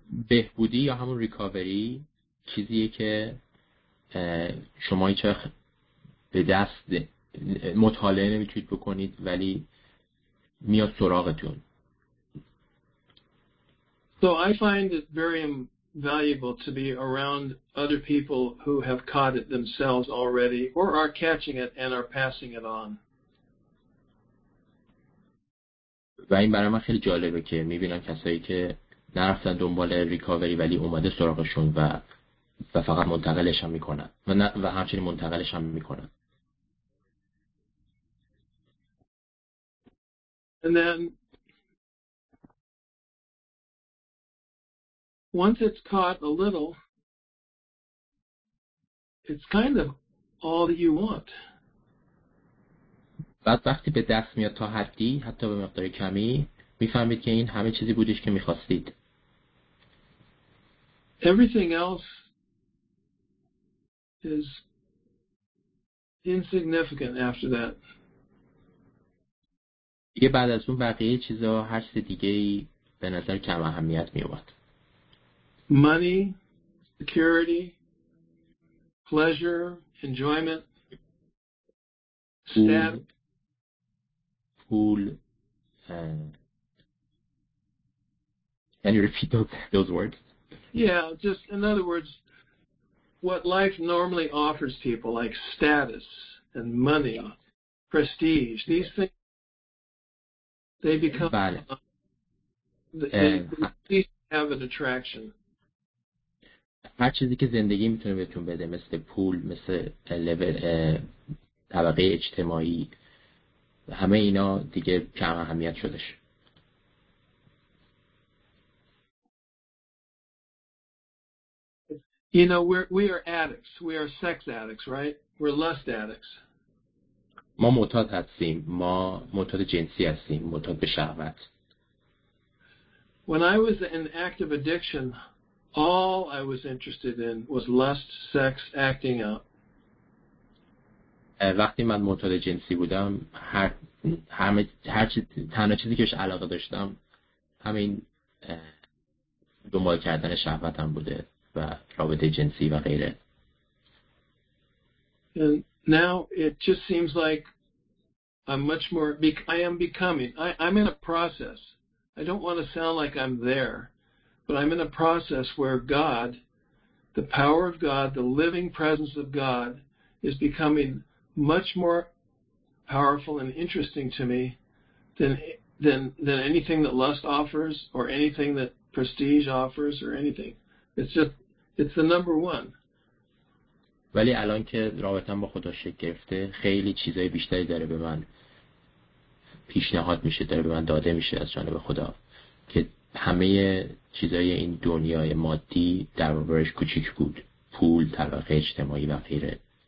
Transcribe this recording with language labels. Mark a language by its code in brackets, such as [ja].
[fa] بهبودی یا همون ریکاوری چیزیه که شما هیچ وقت به دست مطالعه نمیتونید بکنید، ولی میاد سراغتون. [en] So I find it very valuable to be around other people who have caught it themselves already or are catching it and are passing it on. [fa] و این برای من خیلی جالبه که میبینم کسایی که نرفتن دنبال ریکاوری ولی اومده سراغشون و فقط منتقلش هم میکنن و همچنین منتقلش هم میکنن. [en] And then once it's caught a little, it's kind of all that you want. [fa] بعد وقتی به دست میاد تا حدی، حتی به مقدار کمی، میفهمید که این همه چیزی بودش که میخواستید. [en] Everything else is insignificant after that. [fa] یه بعد از اون بقیه چیزا هر چیز دیگه‌ای به نظر کم اهمیت می اومد. [en] Money, security, pleasure, enjoyment, pool. And you repeat those words? Yeah, just in other words, what life normally offers people, like status and money, prestige, these things, they become, they have an attraction. [fa] هر چیزی که زندگی میتونه بهتون بده، مثل پول، مثل لول طبقه اجتماعی، همه اینا دیگه کم اهمیت شدش. [en] You know, we are addicts. We are sex addicts, right? We're lust addicts. [fa] ما معتاد هستیم. ما معتاد جنسی هستیم. معتاد به شهوت. [en] When I was in active addiction, all I was interested in was lust, sex, acting out. [fa] وقتی من معتاد جنسی بودم، تنها چیزی که بهش علاقه داشتم، همین دنبال کردن شهوتم بوده. و رابطه جنسی و غیره. [en] And now it just seems like I'm much more. I am becoming. I'm in a process. I don't want to sound like I'm there, but I'm in a process where God, the power of God, the living presence of God, is becoming much more powerful and interesting to me than anything that lust offers or anything that prestige offers or anything. It's the number one. [fa] ولی الان که رابطه‌ام با خدا شکل گرفته، خیلی چیزای بیشتری داره به من پیشنهاد میشه، داره به من داده میشه از جانب خدا که همه چیزای این دنیای مادی در برابرش کوچیک بود، پول، طبقه اجتماعی و غیره.